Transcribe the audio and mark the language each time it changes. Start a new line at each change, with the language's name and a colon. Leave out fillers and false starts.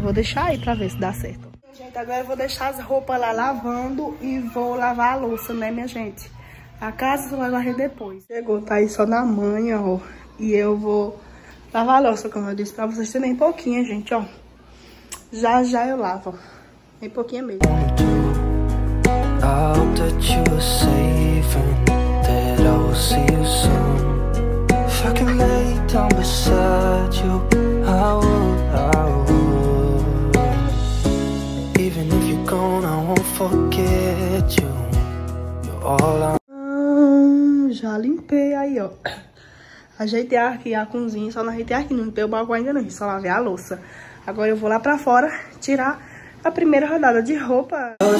Portuguese: Vou deixar aí pra ver se dá certo. Gente, agora eu vou deixar as roupas lá lavando e vou lavar a louça, né, minha gente? A casa eu vou lavar depois. Chegou, tá aí só na manhã, ó. E eu vou lavar a louça, como eu disse pra vocês, nem pouquinho, gente, ó. Já, já eu lavo. Nem pouquinho mesmo.
English: I hope that you're safe and that I will see you soon. If I can lay down beside you, I would, I would. Even if you're gone, I won't forget you. You're all I...
Portuguese: já limpei aí, ó. Ajeitei aqui a cozinha, só não ajeitei aqui, não limpei o balcão ainda não, só lavei a louça. Agora eu vou lá pra fora tirar a primeira rodada de roupa.